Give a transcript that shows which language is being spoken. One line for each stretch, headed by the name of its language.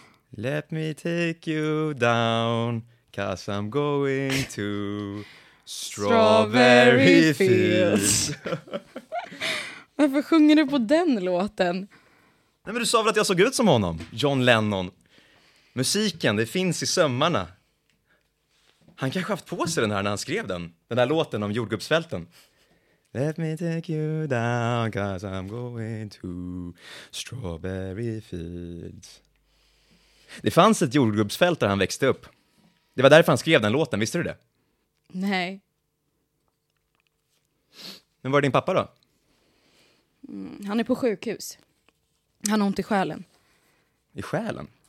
English: Let me take you down, 'cause I'm going to strawberry fields.
Swedish: Varför sjunger du på den låten? Nej, men du sa väl att jag såg ut som honom, John Lennon. Musiken, det finns i sömmarna. Han kanske haft på sig den här när han skrev den. Den där låten om jordgubbsfälten.
English: Let me take you down, cause I'm going to strawberry fields.
Swedish: Det fanns ett jordgubbsfält där han växte upp. Det var därför han skrev den låten, visste du det? Nej. Men var din pappa då? Han är på sjukhus. Han har ont i själen. I själen?